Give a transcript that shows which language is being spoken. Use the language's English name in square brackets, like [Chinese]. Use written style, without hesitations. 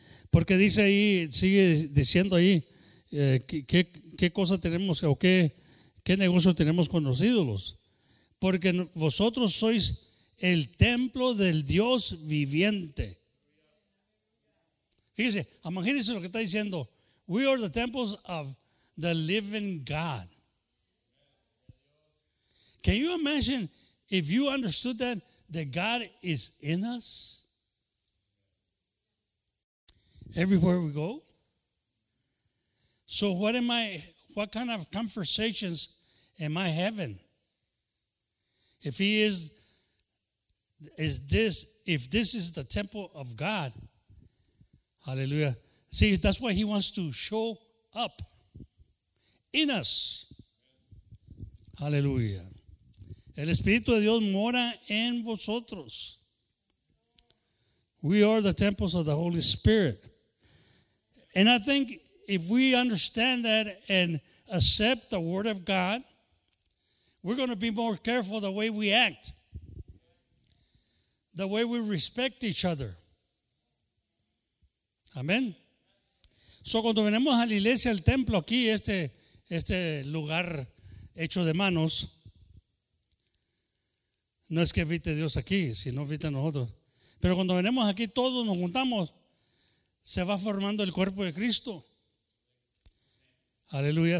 [Spanish] Porque dice ahí, sigue diciendo ahí, ¿qué cosa tenemos o qué negocio tenemos con los ídolos? Porque vosotros sois el templo del Dios viviente. Fíjese, imagínense lo que está diciendo. [English] We are the temples of the living God. Can you imagine if you understood that God is in us? Everywhere we go. So what kind of conversations am I having? If this is the temple of God, hallelujah. See, that's why He wants to show up in us. Hallelujah. [Spanish] El Espíritu de Dios mora en vosotros. [English] We are the temples of the Holy Spirit. And I think if we understand that and accept the word of God, we're going to be more careful the way we act, the way we respect each other. [Spanish] Amén. So cuando venimos a la iglesia, al templo aquí, este lugar hecho de manos, no es que evite Dios aquí, sino evite nosotros. Pero cuando venimos aquí, todos nos juntamos, se va formando el cuerpo de Cristo. Aleluya.